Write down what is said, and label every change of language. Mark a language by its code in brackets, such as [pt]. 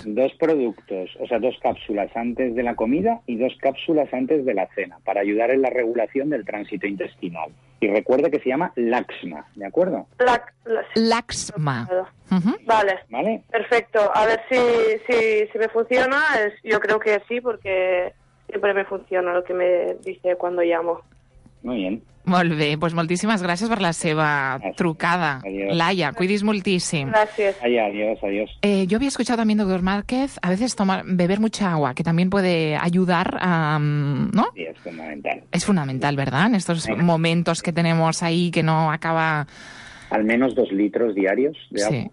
[es] Dos productos, o sea, dos cápsulas antes de la comida y dos cápsulas antes de la cena, para ayudar en la regulación del tránsito intestinal. Y recuerde que se llama Laxma, ¿de acuerdo? Laxma. Uh-huh. Vale. Vale. Perfecto. A ver si me funciona. Yo creo que sí, porque siempre me funciona lo que me dice cuando llamo. Muy bien. [ca] Molt bé, doncs moltíssimes gràcies per la seva trucada. [es] Adiós. [ca] Laia, cuidis moltíssim. Gràcies. [es] Adiós. [ca] Jo havia [es] escuchat també, doctor Márquez, a veces beber mucha agua, que también puede ayudar, ¿no? Sí, es fundamental. Es fundamental, ¿verdad? En estos momentos que tenemos ahí que no acaba... Al menos 2 litros diarios de agua.